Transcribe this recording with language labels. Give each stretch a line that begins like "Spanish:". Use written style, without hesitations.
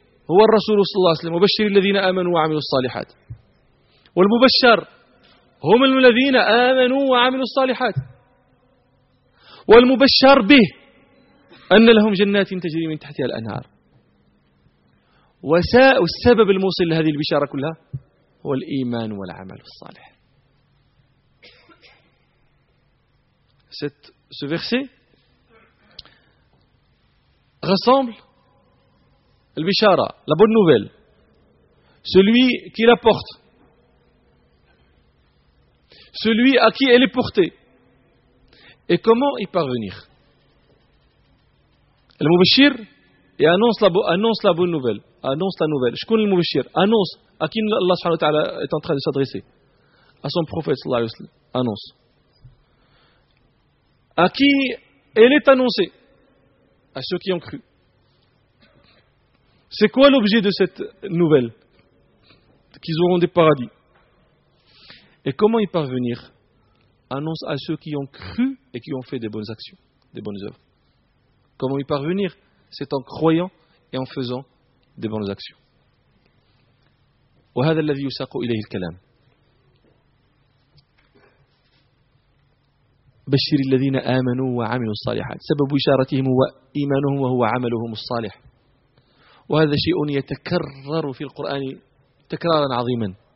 Arabic: هو الرسول صلى الله عليه وسلم مبشر الذين آمنوا وعملوا الصالحات والمبشر هم الذين آمنوا وعملوا الصالحات والمبشر به أن لهم جنات تجري من تحتها الأنهار والسبب الموصل لهذه البشارة كلها هو الإيمان والعمل الصالح.
French: Ce verset rassemble Al-Bishara, la bonne nouvelle. Celui qui la porte. Celui à qui elle est portée. Et comment y parvenir? Al-Mubashir et annonce la bonne nouvelle. Annonce la nouvelle. Shkoun al-Mubashir. Annonce à qui Allah subhanahu wa ta'ala est en train de s'adresser. À son prophète sallallahu alayhi wa sallam. Annonce. À qui elle est annoncée? À ceux qui ont cru. C'est quoi l'objet de cette nouvelle? Qu'ils auront des paradis. Et comment y parvenir? Annonce à ceux qui ont cru et qui ont fait des bonnes actions, des bonnes œuvres. Comment y parvenir? C'est en croyant et en faisant des bonnes actions.
Arabic: وهذا الذي يساق إليه الكلام. بشر الذين آمنوا وعملوا الصالحات. سبب بشارتهم هو إيمانهم وهو عملهم الصالح. وهذا شيء يتكرر في القرآن تكرارا عظيما.